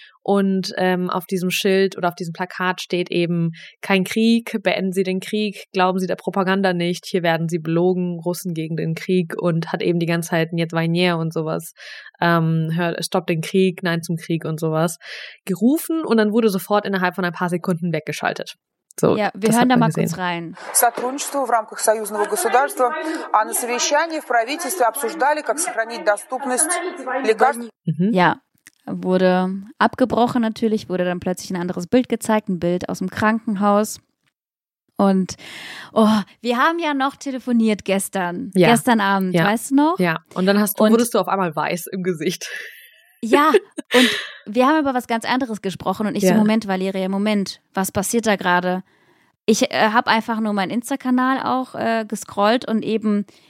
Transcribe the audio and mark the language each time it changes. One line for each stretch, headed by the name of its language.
German: Und auf diesem Schild oder auf diesem Plakat steht eben, kein Krieg, beenden Sie den Krieg, glauben Sie der Propaganda nicht, hier werden Sie belogen, Russen gegen den Krieg, und hat eben die ganze Zeit jetzt Vajnir und sowas, stopp den Krieg, nein zum Krieg und sowas, gerufen und dann wurde sofort innerhalb von ein paar Sekunden weggeschaltet. So, ja, wir hören da mal kurz rein.
Russian: Сотрудничество в рамках союзного государства, а на совещании в правительстве обсуждали, как сохранить доступность лекарств.
German: Ja. Wurde abgebrochen natürlich, wurde dann plötzlich ein anderes Bild gezeigt, ein Bild aus dem Krankenhaus. Und oh, wir haben ja noch telefoniert gestern, gestern Abend, weißt du noch? Ja, und dann wurdest du auf einmal weiß im Gesicht. Ja, und wir haben über was ganz anderes gesprochen und ich so, Moment, Valeria, Moment, was passiert da gerade? Ich habe einfach nur meinen Insta-Kanal auch gescrollt und eben